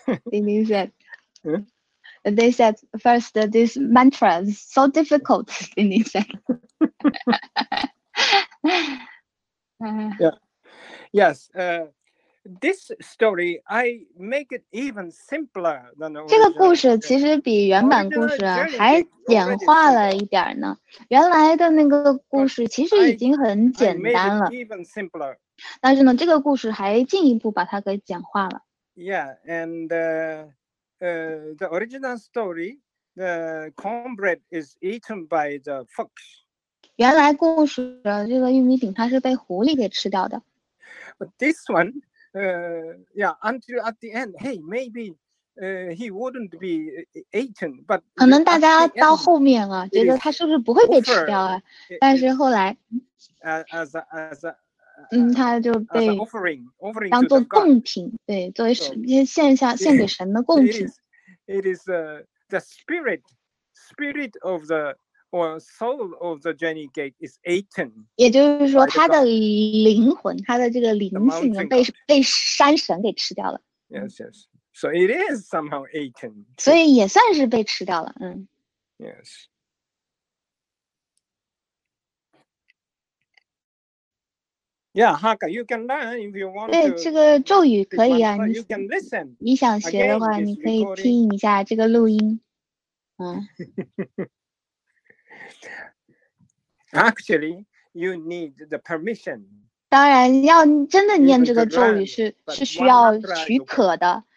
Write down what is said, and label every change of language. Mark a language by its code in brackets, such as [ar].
[en] They said, they said, first, this mantra is so difficult. They said, yes, this story, I make it even simpler than the original. [zh] 这个故事其实比原版故事还简化了一点呢。原来的那个故事其实已经很简单了。 [en] Even simpler. [zh] 但是呢，这个故事还进一步把它给简化了。 [en] Yeah, and the original story, the cornbread is eaten by the fox. [zh] 原来故事的这个玉米饼，它是被狐狸给吃掉的。 [en] But this one, yeah, until at the end, hey, maybe, he wouldn't be eaten, but [zh] 可能大家到后面啊，觉得它是不是不会被吃掉啊？但是后来 [en] ，as a [zh] 嗯，他就被当做贡品，对，作为神献下献给神的贡品。 [en] It is the spirit of the or soul of the journey gate is eaten。 [zh] 也就是说，他的灵魂，他的这个灵性被山神给吃掉了。 [en] Yes, yes. So it is somehow eaten. [zh] 所以也算是被吃掉了，嗯。 [en] Yes. Yeah, Haka, you can learn if you want to. [zh] 对，这个咒语可以啊，你 [en] can listen. [zh] 你想学的话，你可以听一下这个录音。嗯。 [en] Actually, you need the permission. [zh] 当然，要真的念这个咒语是需要许可的。